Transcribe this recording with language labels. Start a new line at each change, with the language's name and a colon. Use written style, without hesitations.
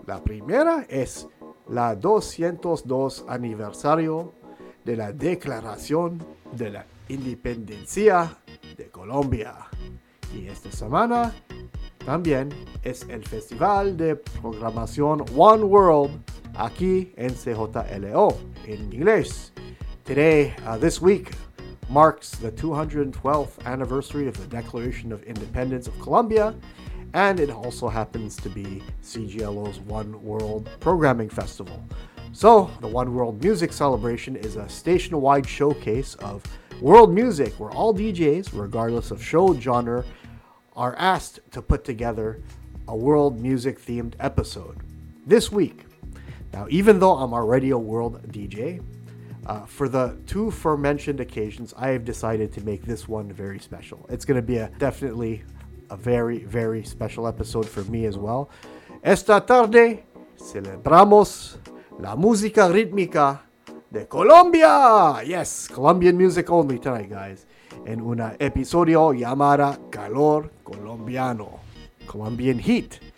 Spanish: La primera es la 202 aniversario de la Declaración de la Independencia de Colombia. Y esta semana también es el Festival de Programación One World aquí en CJLO en inglés.
English: Today, this week, marks the 212th anniversary of the Declaration of Independence of Colombia. And it also happens to be CJLO's One World Programming Festival. So, the One World Music Celebration is a station-wide showcase of world music where all DJs, regardless of show genre, are asked to put together a world music-themed episode this week. Now, even though I'm already a world DJ, For the two aforementioned occasions, I have decided to make this one very special. It's going to be definitely a very, very special episode for me as well.
Spanish: Esta tarde, celebramos la música rítmica de Colombia.
English: Yes, Colombian music only tonight, guys.
Spanish: En un episodio llamada Calor Colombiano,
English: Colombian Heat.